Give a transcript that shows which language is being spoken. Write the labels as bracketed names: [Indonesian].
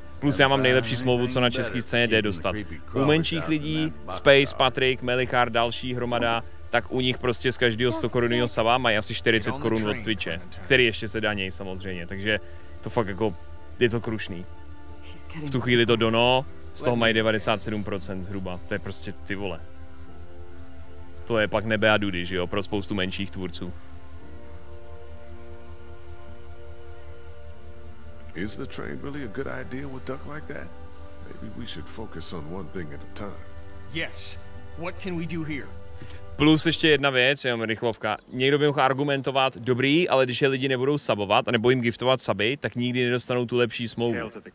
[Czech] Plus já mám nejlepší smlouvu, co na české scéně jde dostat. U menších lidí, Space, Patrick, Melichar, další hromada, tak u nich prostě z každého 100 korunního sava mají asi 40 korun od Twitche, který ještě se daní samozřejmě, takže to fakt jako, je to krušný. V tu chvíli to dono, z toho mají 97% zhruba, to je prostě ty vole. To je pak nebe a dudy, že jo, pro spoustu menších tvůrců. [English] Is the train really a good idea with Duck like that? Maybe we should focus on one thing at a time. Yes. What can we do here? [Czech] Plus ještě jedna věc, jenom rychlovka. Někdo by mohl argumentovat, dobrý, ale když je lidi nebudou subovat, anebo jim giftovat suby, tak nikdy nedostanou tu lepší smlouvu.